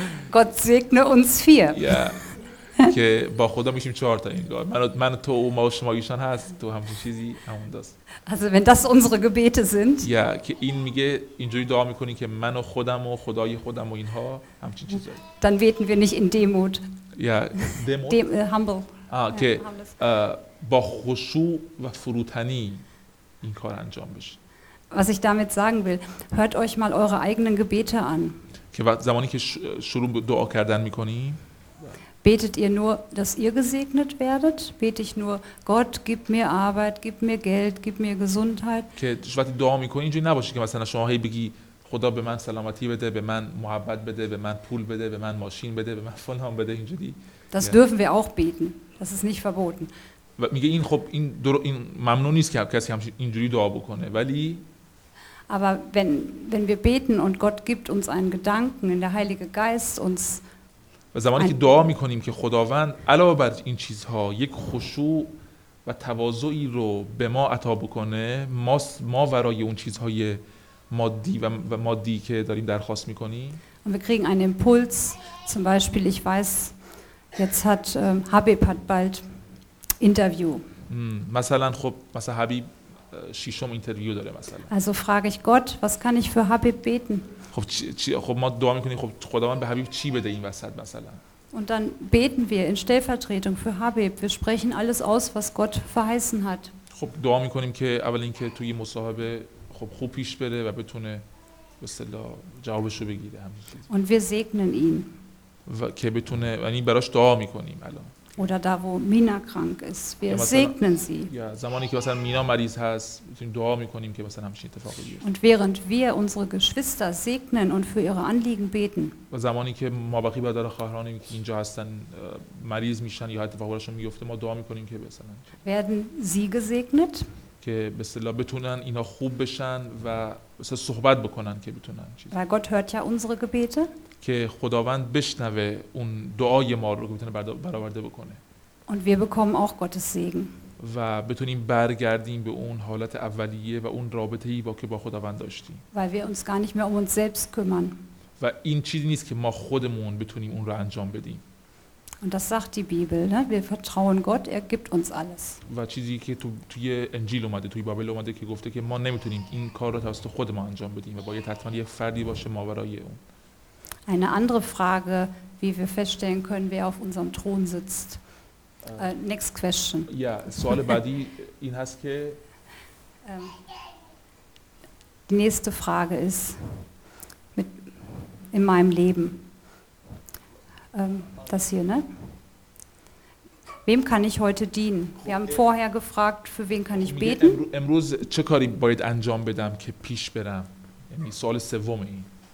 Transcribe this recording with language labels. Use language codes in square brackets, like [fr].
[de] Gott segne uns vier [fa] ja که با خدا میشیم چهار تا انگار من تو و ما و شما ایشان هست تو همچین چیزی همون دست. [de] Also wenn das unsere Gebete sind. [fa] یا که این میگه اینجوری دعا میکنی که من و خودم و خدای خودم و اینها همچین چیزی. [de] Dann beten wir nicht in Demut. یا Demut. Humble. [fa] که با خشوع و فروتنی این کار انجام بشه. [de] Was ich damit sagen will, hört euch mal eure eigenen Gebete an. [fa] که زمانی که شروع دعا کردن میکنیم [de] Betet ihr nur, dass ihr gesegnet werdet? Bete ich nur, Gott, gib mir Arbeit, gib mir Geld, gib mir Gesundheit? [fa] که وقتی دعا میکنی اینجوری نباشه که مثلا شما هی بگی خدا به من سلامتی بده، به من محبت بده، به من پول بده، به من ماشین بده، به من فلان بده اینجوری. [de] Das dürfen wir auch beten. Das ist nicht verboten. [fa] میگه این خب این ممنون نیست که کسی اینجوری دعا بکنه ولی [de] Aber wenn wir beten und Gott gibt uns einen Gedanken, in der Heilige Geist uns [fa] و زمانی که دعا میکنیم که خداوند علاوه بر این چیزها یک خشوع و تواضعی رو به ما عطا بکنه ما ورای اون چیزهای مادی و مادی که داریم درخواست میکنیم [de] و wir kriegen einen Impuls zum Beispiel ich weiß jetzt hat Habib hat bald interview [fa] مثلا خب مثلا حبیب ششم اینترویو داره مثلا [de] also frage ich Gott was kann ich für Habib beten [fa] خب ما دعا میکنیم خب خداوند به حبیب چی بده این وسط مثلا [de] und dann beten wir in stellvertretung für Habib wir sprechen alles aus was Gott verheißen hat [fa] خب دعا میکنیم که اول اینکه توی مصاحبه خوب پیش بره و بتونه به اصطلاح جوابشو بگیره [de] und wir segnen ihn [fa] و که بتونه یعنی براش دعا میکنیم الان [de] oder da wo Mina krank ist wir segnen sie [fa] ja زمانی که مثلا مینا مریض هست میتونیم دعا میکنیم که مثلا همچین اتفاقی بیفته [de] und während wir unsere geschwister segnen und für ihre anliegen beten [fa] و زمانی که ما باقی برادر خواهرانی که اینجا هستن مریض میشن یا اتفاقی براشون میفته ما دعا میکنیم که مثلا [de] werden sie gesegnet [fa] که به اصطلاح بتونن اینا خوب بشن و مثلا صحبت بکنن که بتونن چیزی [de] weil Gott hört ja unsere gebete [fa] که خداوند بشنوه اون دعای ما رو که بتونه برآورده بکنه [de] und wir bekommen auch Gottes Segen [fa] و بتونیم برگردیم به اون حالت اولیه و اون رابطه‌ای با که با خداوند داشتیم [de] weil wir uns gar nicht mehr um uns selbst kümmern [fa] و این چیزی نیست که ما خودمون بتونیم اون رو انجام بدیم [de] und das sagt die Bibel ne wir vertrauen Gott er gibt uns alles [fa] و چیزی که توی انجیل اومده توی بابل اومده که گفته که ما نمیتونیم این کار رو توسط خودمون انجام بدیم و باید حتما یه فردی باشه ماورای اون [de] Eine andere Frage, wie wir feststellen können, wer auf unserem Thron sitzt. [en] Next question. [fa] Ja, سوال بعدی این هست که [de] Die nächste Frage ist mit in meinem Leben. Das hier, ne? Wem kann ich heute dienen? Wir haben vorher gefragt, für wen kann ich beten? [fa] امروز چه کاری باید انجام بدم که پیش برم؟ یعنی سوال سومه این